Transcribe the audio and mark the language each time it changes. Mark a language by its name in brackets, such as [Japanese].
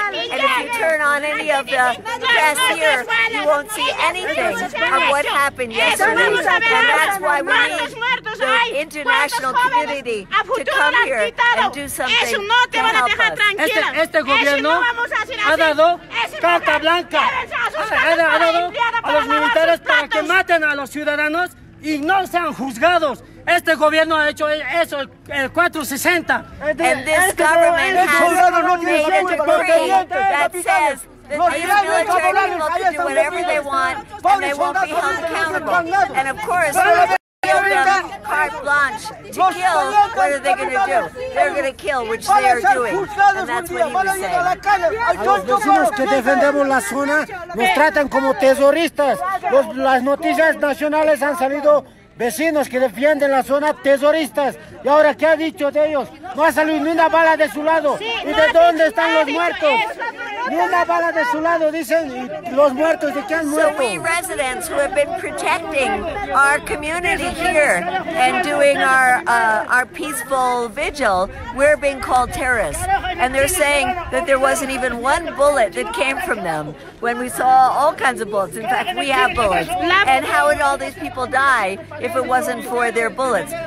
[English] And if you turn on any of the press here, you won't see anything of what happened yesterday. And that's why we need the international community to come here and do something to help us. [Spanish] Este gobierno ha dado carta blanca. Ha dado a los militares para que maten a los ciudadanos y no sean juzgados. Este gobierno ha hecho eso, el 460. [English] And this government has made a decree that says that these military people can do whatever they want and they won't be held accountable. And of course, they give them carte blanche to kill. What are they going to do? They're going to kill, which they are doing. And that's what he was saying. [Spanish] Los vecinos que defendemos la zona nos tratan como terroristas. Las noticias nacionales han salido vecinos que defienden la zona terroristas. ¿Y ahora qué ha dicho de ellos? No ha salido ni una bala de su lado. ¿Y de dónde están los muertos? Ni una bala de su lado, dicen, y los muertos, ¿de qué han muerto? [English] So we residents who have been protecting our community here and doing our peaceful vigil, we're being called terrorists. And they're saying that there wasn't even one bullet that came from them when we saw all kinds of bullets. In fact, we have bullets. And how would all these people die if it wasn't for their bullets?